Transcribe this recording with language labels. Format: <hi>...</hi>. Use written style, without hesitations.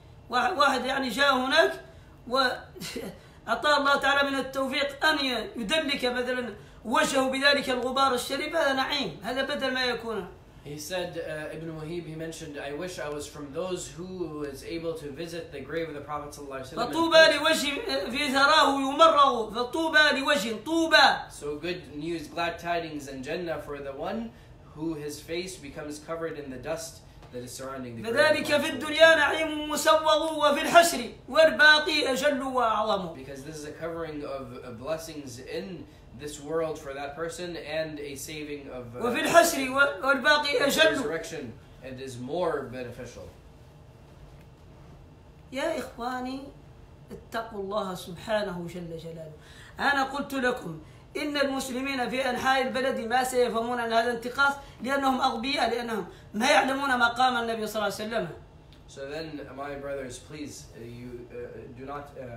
<ar>واحد يعني جاء هناك وأعطاه الله تعالى من التوفيق أن يدلك مثلا وجهه بذلك الغبار الشريف هذا نعيم هذا بدل ما يكون.</ar> <en>He said Ibn Wahib, he mentioned, I wish I was from those who was able to visit the grave of the Prophet صلى الله عليه وسلم.</en> <ar>فطوبى لوجه في ثراه يمرغ فطوبى لوجه طوبى.</ar> <en>So good news, glad tidings and Jannah for the one who his face becomes covered in the dust. That is surrounding the</en> <ar>فذلك في الدنيا نعيم مسوغ وفي الحشر والباقي أجل وأعظم.</ar> <en>Because this is a covering of blessings in this world for that person and a saving of.</en> <ar>وفي الحشر والباقي أجل.</ar> <en>Resurrection, it is more beneficial.</en> <ar>يا إخواني اتقوا الله سبحانه جل جلاله. أنا قلت لكم إن المسلمين في أنحاء البلد ما سيفهمون أن هذا انتقاص لأنهم أغبياء لأنهم ما يعلمون مقام النبي صلى الله عليه وسلم.</ar> <en>So then, my brothers, please, you do not.</en>